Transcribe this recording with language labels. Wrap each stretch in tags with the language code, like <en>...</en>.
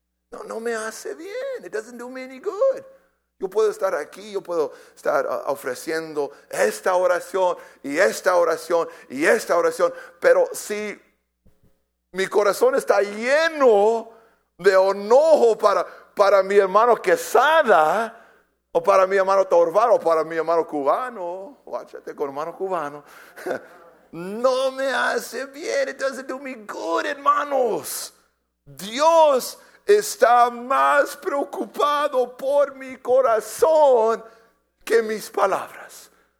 <es>No, no me hace bien.</es> <en>It doesn't do me any good.</en> <es>Yo puedo estar aquí, yo puedo estar ofreciendo esta oración y esta oración y esta oración, pero si mi corazón está lleno de enojo para mi hermano Quesada, o para mi hermano Torvaro, o para mi hermano cubano, guáchate con hermano cubano, no me hace bien.</es> <en>It doesn't do me good,</en> <es>hermanos. Dios está más preocupado por mi corazón que mis palabras.</es>